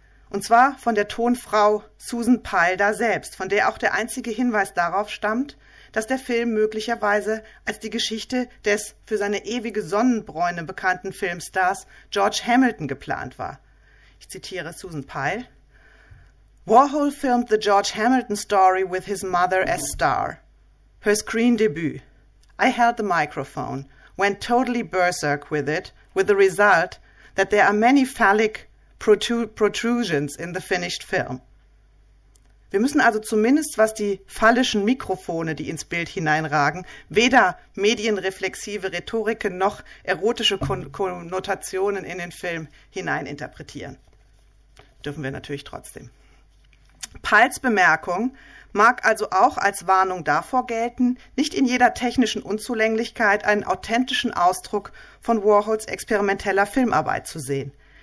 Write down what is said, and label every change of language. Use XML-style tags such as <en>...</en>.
<de>Und zwar von der Tonfrau Susan Pilder selbst, von der auch der einzige Hinweis darauf stammt, dass der Film möglicherweise als die Geschichte des für seine ewige Sonnenbräune bekannten Filmstars George Hamilton geplant war. Ich zitiere Susan Pyle.</de> <en>Warhol filmed the George Hamilton story with his mother as star. Her screen debut. I held the microphone, went totally berserk with the result that there are many phallic protrusions in the finished film.</en> <de>Wir müssen also zumindest, was die phallischen Mikrofone, die ins Bild hineinragen, weder medienreflexive Rhetoriken noch erotische Konnotationen in den Film hineininterpretieren. Dürfen wir natürlich trotzdem. Pyles Bemerkung mag also auch als Warnung davor gelten, nicht in jeder technischen Unzulänglichkeit einen authentischen Ausdruck von Warhols experimenteller Filmarbeit zu sehen.</de>